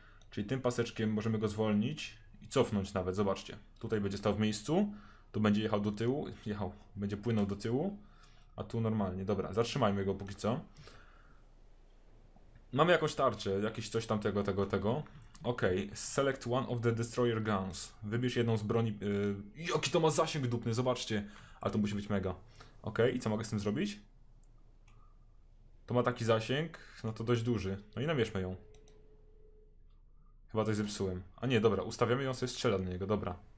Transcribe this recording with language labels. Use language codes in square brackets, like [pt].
[pl] Czyli tym paseczkiem możemy go zwolnić i cofnąć nawet. Zobaczcie. Tutaj będzie stał w miejscu. Tu będzie jechał do tyłu. Jechał. Będzie płynął do tyłu. A tu normalnie. Dobra, zatrzymajmy go póki co. Mamy jakąś tarczę, jakieś coś tam tego. Okej, okay. [en] Select one of the destroyer guns. [pl] Wybierz jedną z broni... jaki to ma zasięg dupny, zobaczcie! A to musi być mega. Okej, okay. I co mogę z tym zrobić? To ma taki zasięg, no to dość duży. No i namierzmy ją. Chyba coś zepsułem. A nie, dobra, ustawiamy ją sobie, strzela do niego, dobra.